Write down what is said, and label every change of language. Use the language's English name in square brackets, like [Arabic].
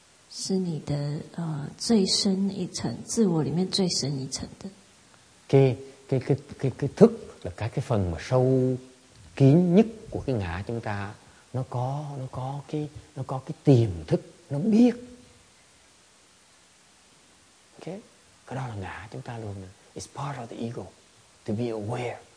[Chinese] 是你的 最深一层，自我里面最深一层的。 [Vietnamese] cái thức là cái phần mà sâu kín nhất của cái ngã chúng ta. Nó có cái tiềm thức, nó biết. Okay? Cái đó là ngã chúng ta luôn. [English] It's part of the ego to be aware.